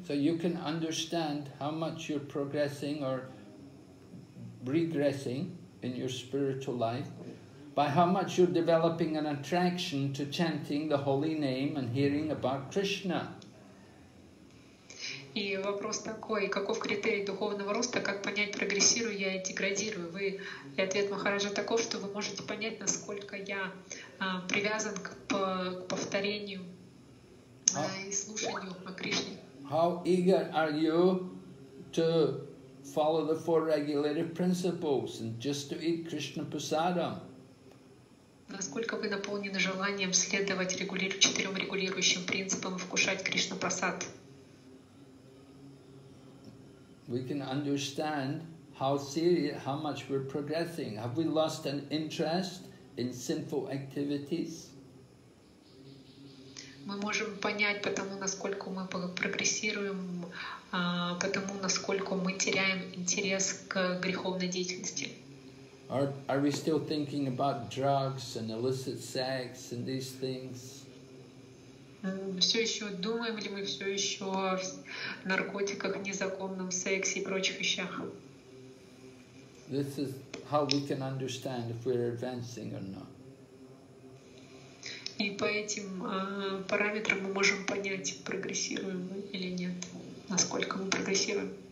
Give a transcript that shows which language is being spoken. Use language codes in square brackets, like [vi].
[en] So you can understand how much you're progressing or regressing in your spiritual life by how much you're developing an attraction to chanting the holy name and hearing about Krishna. [ru] И вопрос такой, каков критерий духовного роста, как понять, прогрессирую я и деградирую? Вы, и ответ Махараджа таков, что вы можете понять, насколько я привязан к повторению и слушанию о Кришне. [en] How eager are you to follow the four regulative principles and just to eat Krishna prasadam? [ru] Насколько вы наполнены желанием следовать четырем регулирующим принципам и вкушать Кришна прасад? [en] We can understand how serious, how much we're progressing. Have we lost an interest in sinful activities? [ru] Мы можем понять, потому насколько мы прогрессируем, потому насколько мы теряем интерес к греховной деятельности. [en] Are we still thinking about drugs and illicit sex and these things? [ru] Все еще думаем ли мы все еще о наркотиках, незаконном сексе и прочих вещах? [en] This is how we can understand if we're advancing or not. [ru] И по этим параметрам мы можем понять, прогрессируем мы или нет, насколько мы прогрессируем.